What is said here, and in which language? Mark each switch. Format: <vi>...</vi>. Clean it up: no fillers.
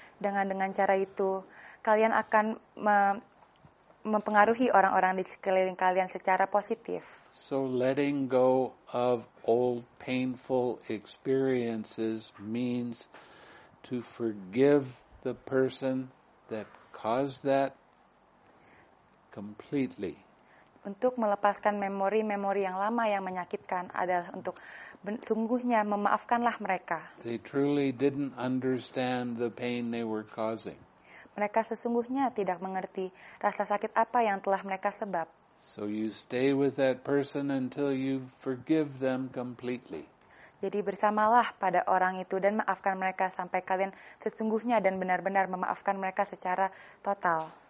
<id>Dengan cara itu, kalian akan mempengaruhi orang-orang di sekeliling kalian secara positif.</id> <en>So letting go of old painful experiences means to forgive the person that caused that completely.</en> <id>Untuk melepaskan memori-memori yang lama yang menyakitkan adalah untuk sungguhnya memaafkanlah mereka.</id> <en>They truly didn't understand the pain they were causing.</en> <id>Mereka sesungguhnya tidak mengerti rasa sakit apa yang telah mereka sebab.</id> <en>So you stay with that person until you forgive them completely.</en> <id>Jadi bersamalah pada orang itu dan maafkan mereka sampai kalian sesungguhnya dan benar-benar memaafkan mereka secara total.</id>